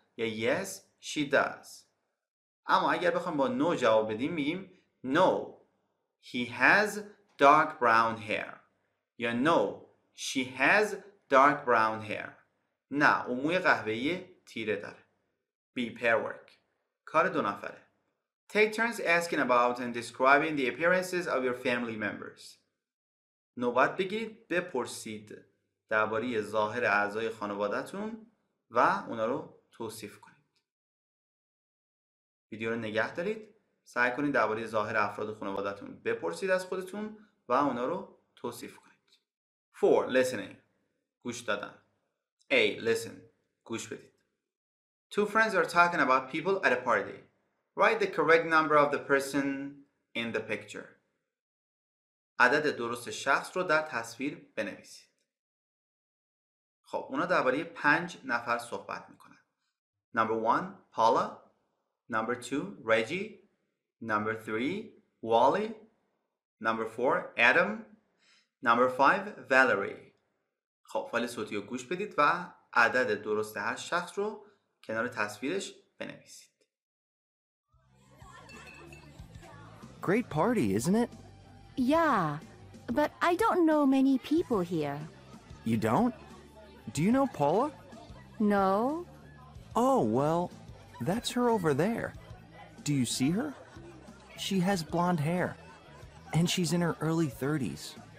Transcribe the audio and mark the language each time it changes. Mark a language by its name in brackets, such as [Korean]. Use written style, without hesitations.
[English] یا Yes, she does. [Persian] اما اگر بخوایم با No جواب بدیم میگیم [English] No, he has dark brown hair. یا No, she has dark brown hair. [Persian] نه، اون موی قهوه‌ای تیره داره. [English] Be pair work. [Persian] کار دو نفره. [English] Take turns asking about and describing the appearances of your family members. [Persian] نوبت بگیرید بپرسید درباره ظاهر اعضای خانوادتون و اونا رو توصیف کنید. ویدیو رو نگه دارید. سعی کنید درباره ظاهر افراد خانوادتون بپرسید از خودتون و اونا رو توصیف کنید. [English] 4. Listening. [Persian] گوش دادن. [English] A. Listen. [Persian] گوش بدید. [English] Two friends are talking about people at a party. Write the correct number of the person in the picture. [Persian] عدد درست شخص رو در تصویر بنویسید. خب اونا درباره 5 نفر صحبت میکنن. [English] Number 1 Paula, Number 2 Reggie, Number 3 Wally, Number 4 Adam, Number 5 Valerie. [Persian] خب فایل صوتی رو گوش بدید و عدد درست هر شخص رو کنار تصویرش بنویسید. [English] Great party, isn't it? Yeah, but I don't know many people here. You don't? Do you know Paula? No. Oh, well, that's her over there. Do you see her? She has blonde hair, and she's in her early 30s.